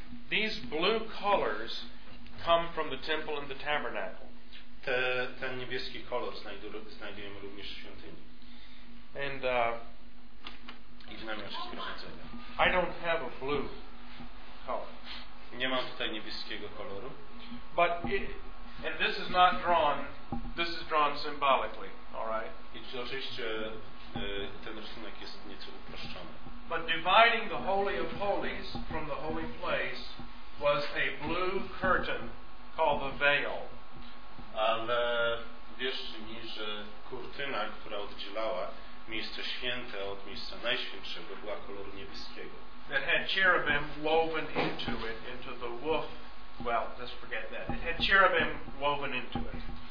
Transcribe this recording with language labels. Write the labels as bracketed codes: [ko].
[en] These blue colors come from the temple and the tabernacle. [pl] Ten niebieski kolor znajdujemy również w świątyni. [en] And [pl] I w namiocie zgromadzenia. [en] I don't have a blue color. [pl] Nie mam tutaj niebieskiego koloru. [en] But and this is not drawn. This is drawn symbolically. All right. [pl] I oczywiście ten rysunek jest nieco uproszczony. [en] But dividing the Holy of Holies from the holy place was a blue curtain called the veil. [pl] Ale wierz mi, że kurtyna, która oddzielała miejsce święte od miejsca najświętszego, była koloru niebieskiego. [en] That had cherubim woven into it, into the woof. Well, let's forget that. It had cherubim woven into it.